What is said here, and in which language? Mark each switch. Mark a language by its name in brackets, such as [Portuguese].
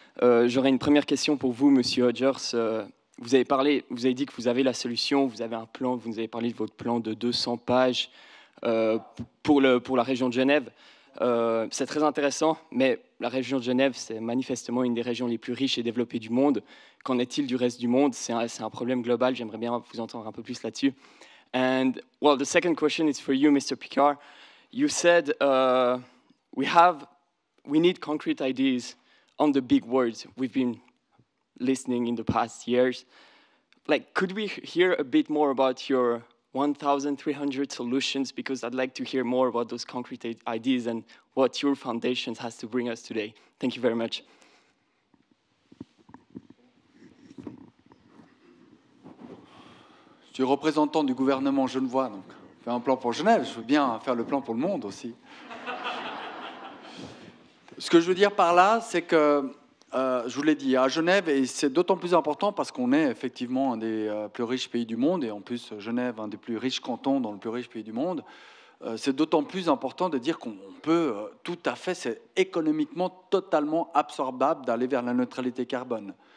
[French] J'aurais une première question pour vous, Monsieur Hodgers. Vous avez dit que vous avez la solution, vous avez un plan, vous nous avez parlé de votre plan de 200 pages pour la région de Genève. C'est très intéressant, mais la région de Genève, c'est manifestement une des régions les plus riches et développées du monde. Qu'en est-il du reste du monde? C'est un problème global. J'aimerais bien vous entendre un peu plus là-dessus. [English] And well, the second question is for you, Mr. Picard. You said we need concrete ideas on the big words we've been listening in the past years. Like, could we hear a bit more about your 1,300 solutions, because I'd like to hear more about those concrete ideas and what your foundation has to bring us today. Thank you very much. [French] Je suis représentant du gouvernement genevois, donc je fais un plan pour Genève, je veux bien faire le plan pour le monde aussi. Ce que je veux dire par là, c'est que je vous l'ai dit, à Genève, et c'est d'autant plus important parce qu'on est effectivement un des plus riches pays du monde, et en plus Genève, un des plus riches cantons dans le plus riche pays du monde, c'est d'autant plus important de dire qu'on peut tout à fait, c'est économiquement totalement absorbable d'aller vers la neutralité carbone.